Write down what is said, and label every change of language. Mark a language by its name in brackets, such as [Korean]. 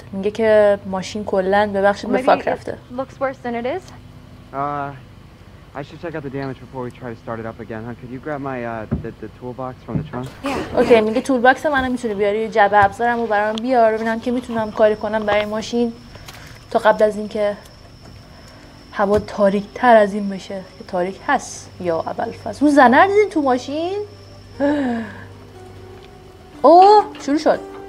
[Persian] میگه که ماشین کلن ببخشید به فاک رفته. [English] Looks worse than it is. I should check out the damage before we try to start it up again. Huh? Could you grab my the toolbox from the trunk? Yeah. [Persian] Okay, میگه toolbox منو میتونه بیاری جعبه ابزارمو برام بیار ببینم که میتونم کاری کنم برای ماشین تا قبل از اینکه هوا تاریک تر از این بشه. که تاریک هست یا اول فاز. اون زنر دیدین تو ماشین؟ اوه شروع شد.